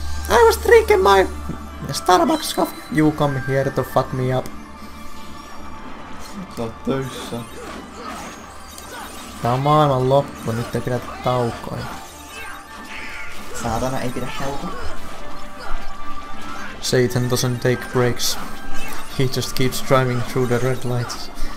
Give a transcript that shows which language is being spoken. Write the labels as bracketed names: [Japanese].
[English] I was drinking my Starbucks coffee. You come here to fuck me up. [Finnish] Sä oot töissä. Tää on maailman loppu, nyt ei pidä taukoa. Saatana, ei pidä tauko. [English] Satan doesn't take breaks. He just keeps driving through the red lights.